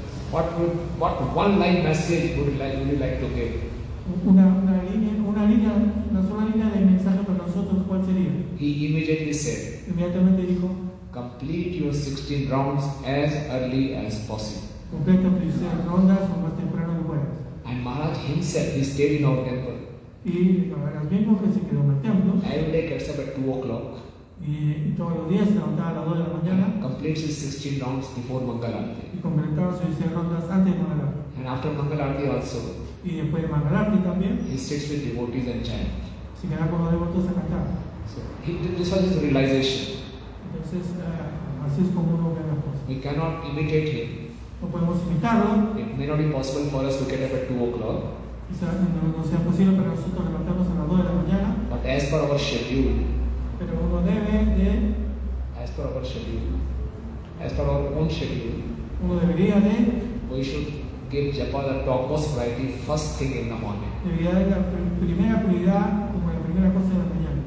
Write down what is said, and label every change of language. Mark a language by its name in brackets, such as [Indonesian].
[English] What one line message would you like to give? [Spanish] Una sola línea de mensaje para nosotros, ¿cuál sería? [English] He immediately said. [Spanish] Inmediatamente dijo. [English] Complete your 16 rounds as early as possible. [Spanish] Completa tus 16 rondas lo más temprano que puedas. [English] And Maharaj himself, he stayed in our temple. [Spanish] Y Maharaj mismo que se quedó en el templo. [English] Every day gets up at 2:00. [Spanish] Y todos los días se levantaba a las 2 de la mañana. [English] Complete his 16 rounds before Mangalarti. [Spanish] Y completaba sus 16 rondas antes de Mangalarti. [English] And after Mangalarti also. [Spanish] Y después de Mangalarti también. [English] He sits with devotees and chant. [Spanish] Se queda con los devotos a cantar. [English] So, this was his realization. [Spanish] Entonces, así es como uno ve las cosas. [English] We cannot imitate him. [Spanish] No podemos imitarlo. [English] It may not be possible for us to get up at 2:00. [Spanish] Quizás no sea posible para nosotros levantarnos a las 2 de la mañana. [English] But as per our schedule. [Spanish] Pero uno debe de. [English] As per our schedule. As per our own schedule. [Spanish] Uno debería de. [English] We should. Give Japa the topmost priority first thing in the morning. [Spanish] Debería dar la primera prioridad como la primera cosa en la mañana.